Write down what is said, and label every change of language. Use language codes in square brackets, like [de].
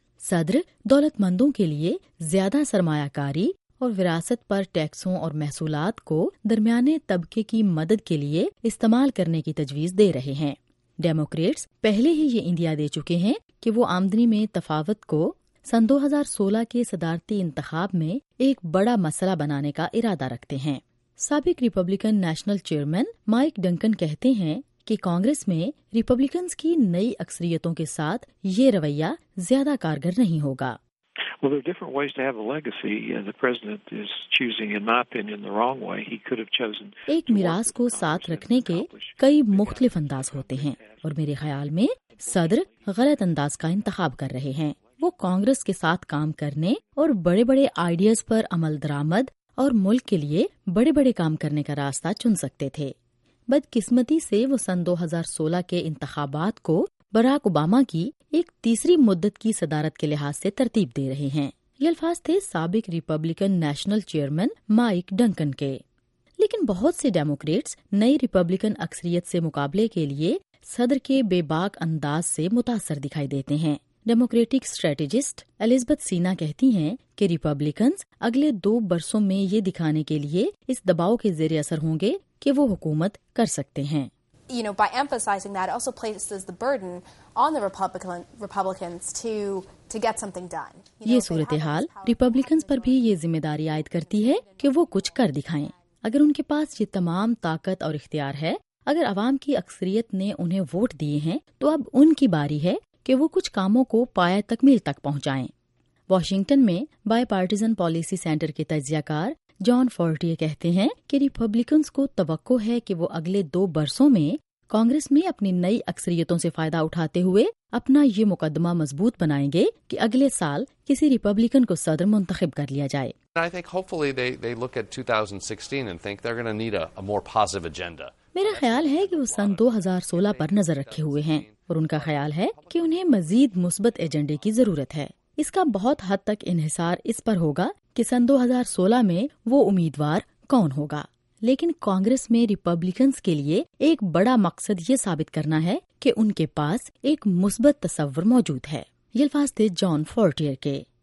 [ur] صدر دولت مندوں کے لیے زیادہ سرمایہ کاری اور وراثت پر ٹیکسوں اور محصولات کو درمیانے طبقے کی مدد کے لیے استعمال کرنے کی تجویز دے رہے ہیں۔ ڈیموکریٹس پہلے ہی یہ اندیا دے چکے ہیں کہ وہ آمدنی میں تفاوت کو سن 2016 کے صدارتی انتخاب میں ایک بڑا مسئلہ بنانے کا ارادہ رکھتے ہیں۔ سابق Republican national chairman mic Duncan کہتے ہیں کہ کانگریس میں ریپبلکنز کی نئی اکثریتوں کے ساتھ یہ رویہ زیادہ کارگر نہیں ہوگا۔ [en] Well, there are different ways to have a legacy, and the president is choosing, in my opinion, the wrong way. He could have chosen [ur] ایک میراث کو ساتھ رکھنے کے کئی مختلف انداز ہوتے ہیں، اور میرے خیال میں صدر غلط انداز کا انتخاب کر رہے ہیں۔ وہ کانگریس کے ساتھ کام کرنے اور بڑے بڑے آئیڈیاز پر عمل درآمد اور ملک کے لیے بڑے بڑے کام کرنے کا راستہ چن سکتے تھے۔ بدقسمتی سے وہ سن 2016 کے انتخابات کو باراک اوباما کی ایک تیسری مدت کی صدارت کے لحاظ سے ترتیب دے رہے ہیں۔ یہ الفاظ تھے سابق Republican national chairman mic Duncan کے۔ لیکن بہت سے ڈیموکریٹس نئی ریپبلکن اکثریت سے مقابلے کے لیے صدر کے بے باک انداز سے متاثر دکھائی دیتے ہیں۔ ڈیموکریٹک اسٹریٹجسٹ الزبتھ سینا کہتی ہیں کہ ریپبلکنز اگلے 2 برسوں میں یہ دکھانے کے لیے اس دباؤ کے زیر اثر ہوں گے کہ وہ حکومت کر سکتے ہیں۔ [en] You know, by emphasizing that, it also places the burden on the Republicans to get something done. [ur] یہ صورتحال ریپبلکنز پر بھی یہ ذمہ داری عائد کرتی ہے کہ وہ کچھ کر دکھائیں۔ اگر ان کے پاس یہ تمام طاقت اور اختیار ہے، اگر عوام کی اکثریت نے انہیں ووٹ دیے ہیں، تو اب ان کی باری ہے کہ وہ کچھ کاموں کو پایہ تکمیل تک پہنچائیں۔ واشنگٹن میں بائی پارٹیزن پالیسی سینٹر کے تجزیہ کار جان فورٹیے کہتے ہیں کہ ریپبلکنز کو توقع ہے کہ وہ اگلے 2 برسوں میں کانگریس میں اپنی نئی اکثریتوں سے فائدہ اٹھاتے ہوئے اپنا یہ مقدمہ مضبوط بنائیں گے کہ اگلے سال کسی ریپبلکن کو صدر منتخب کر لیا جائے۔ [en] I think hopefully they look at 2016 and think they're going to need a more positive agenda. [ur] میرا خیال ہے کہ وہ سن 2016 پر نظر رکھے ہوئے ہیں اور ان کا خیال ہے کہ انہیں مزید مثبت ایجنڈے کی ضرورت ہے۔ اس کا بہت حد تک انحصار اس پر ہوگا کہ سن 2016 میں وہ امیدوار کون ہوگا، لیکن کانگریس میں ریپبلکنز کے لیے ایک بڑا مقصد یہ ثابت کرنا ہے کہ ان کے پاس ایک مثبت تصور موجود ہے۔ یہ الفاظ تھے جان فورٹیئر کے۔